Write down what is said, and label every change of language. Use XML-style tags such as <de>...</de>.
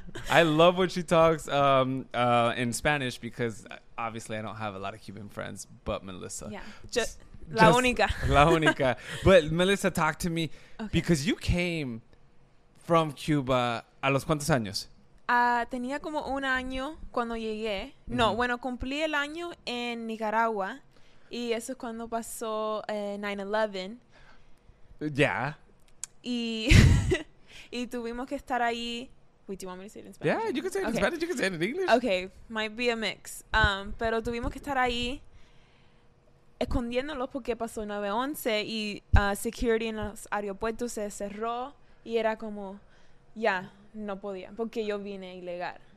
<en>I love when she talks in Spanish because obviously I don't have a lot of Cuban friends, but Melissa. Yeah. Just</en> <es>la única. La única.</es> <en>But Melissa, talk to me because you came from Cuba.</en> <es>¿A los cuántos años? Tenía como un año cuando llegué. Mm-hmm. No, bueno, cumplí el año en Nicaragua y eso es cuando pasó 9/11.</es> <en>Yeah.</en> <es>Y tuvimos que estar ahí.</es> <en>Wait, do you want me to say it in Spanish? Yeah, you can say it in Spanish, you can say it in English. Okay, might be a mix.</en> <es>Pero tuvimos que estar ahí escondiéndolos porque pasó 9/11 y security en los aeropuertos se cerró y era como, no podía porque yo vine ilegal.</es>